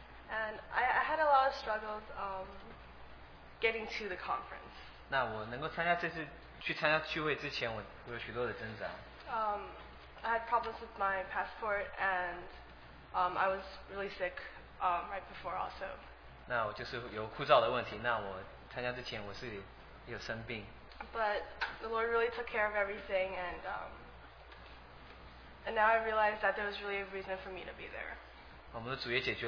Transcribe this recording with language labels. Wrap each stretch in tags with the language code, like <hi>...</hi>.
<en>And I had a lot of struggles getting to the conference.</en> <zh>那我能够参加这次去参加聚会之前，我有许多的挣扎。</zh> <en>I had problems with my passport, and I was really sick right before also.</en> <zh>那我就是有护照的问题。那我参加之前我是有生病。</zh> <en>But the Lord really took care of everything, and now I realize that there was really a reason for me to be there.</en>